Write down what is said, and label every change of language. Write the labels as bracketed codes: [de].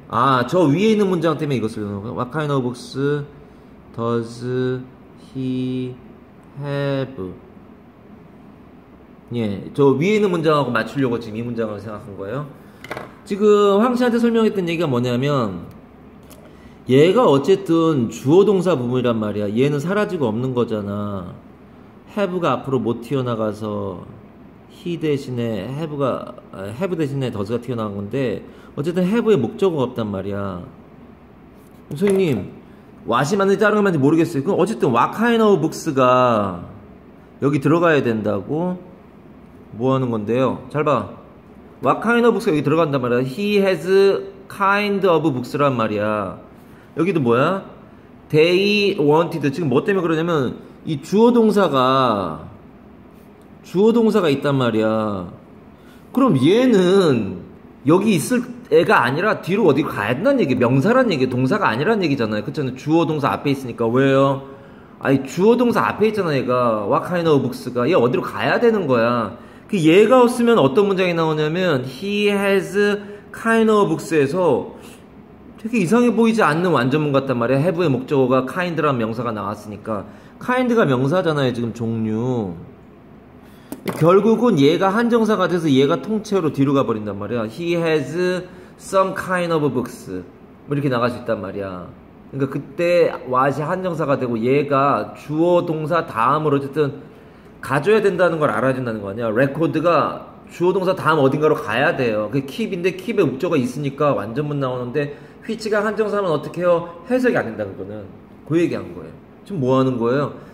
[ko] 아, 저 위에 있는 문장 때문에 이것을 배우는 거야. [en] What kind of books does he have? [ko] 예, 저 위에 있는 문장하고 맞추려고 지금 이 문장을 생각한 거예요. 지금 황 씨한테 설명했던 얘기가 뭐냐면, 얘가 어쨌든 주어 동사 부분이란 말이야. 얘는 사라지고 없는 거잖아. have가 앞으로 못 튀어나가서 he 대신에 have 대신에 does가 튀어나온 건데, 어쨌든 have에 목적어가 없단 말이야. 선생님, what이 맞는지 다른 건 맞는지 모르겠어요. 그럼 어쨌든 [en] what kind of books [ko] 가 여기 들어가야 된다고? 뭐 하는 건데요? 잘 봐. [en] What kind of books가 [ko] 여기 들어간단 말이야. [en] He has kind of books란 말이야. [ko] 여기도 뭐야? [en] They wanted. [ko] 지금 뭐 때문에 그러냐면, 이 주어 동사가 있단 말이야. 그럼 얘는 여기 있을 애가 아니라 뒤로 어디로 가야 된다는 얘기, 명사란 얘기, 동사가 아니란 얘기잖아요. 그렇잖아요. 주어 동사 앞에 있으니까. 왜요? 아니, 주어 동사 앞에 있잖아, 얘가. [en] What kind of books가. [ko] 얘 어디로 가야 되는 거야. 그 얘가 없으면 어떤 문장이 나오냐면, [en] he has kind of books [ko] 에서 되게 이상해 보이지 않는 완전문 같단 말이야. have의 목적어가 kind란 명사가 나왔으니까. kind가 명사잖아요, 지금 종류. 결국은 얘가 한정사가 돼서 얘가 통째로 뒤로 가버린단 말이야. [en] he has some kind of books. [ko] 이렇게 나갈 수 있단 말이야. 그러니까 그때 what이 한정사가 되고 얘가 주어 동사 다음으로 어쨌든 가져야 된다는 걸 알아야 된다는 거 아니야? 레코드가 주어 동사 다음 어딘가로 가야 돼요. 그 킵인데 킵의 목적어가 있으니까 완전문 나오는데 휘치가 한정사면 어떻게 해요? 해석이 안 된다, 그거는. 그 얘기한 거예요. 지금 뭐 하는 거예요?